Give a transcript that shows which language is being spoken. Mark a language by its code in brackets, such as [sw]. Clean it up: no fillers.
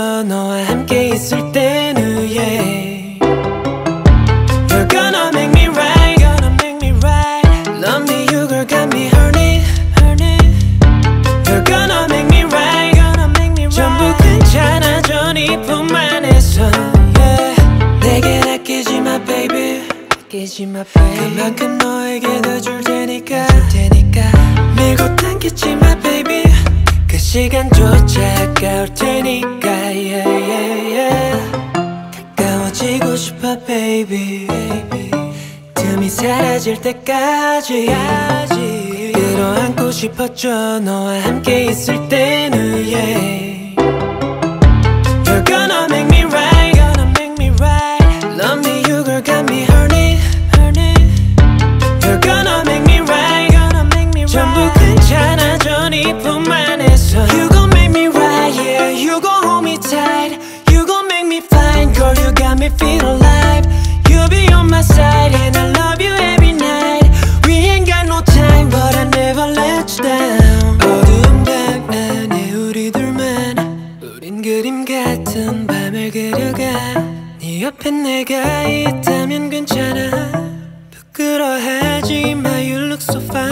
[ko] 너와 함께 있을 때는, yeah. [en] You're gonna make me right, gonna make me right. Love me, you girl, got me hurting, hurting. You're gonna make me right, gonna make me right. [ko] 전부 괜찮아져 네 품 안에서, yeah. 내게 아끼지 마, baby. 아끼지 마, baby. 그만큼 너에게 더 줄 테니까, 줄 테니까. 밀고 당기지 마, baby. 그 시간조차 아까울 테니까, yeah, yeah, yeah. 가까워지고 싶어, baby. 틈이 사라질 때까지. 끌어 안고 싶었죠. 너와 함께 있을 때는, yeah. [en] You're gonna make me right, gonna make me right. Love me, you girl, got me hurting, hurting. You're gonna make me right, gonna make me right. [ko] 전부 괜찮아져 네 품 안에서. [en] You gon' make me right, yeah. You gon' hold me tight. You gon' make me fine, girl. You got me feel alive. You be on my side and I love you every night. We ain't got no time, but I never let you down. [ko] 어두운 밤만의 우리들만, 우린 그림 같은 밤을 그려가. 네 옆에 내가 있다면 괜찮아. 부끄러워하지 마, [en] you look so fine.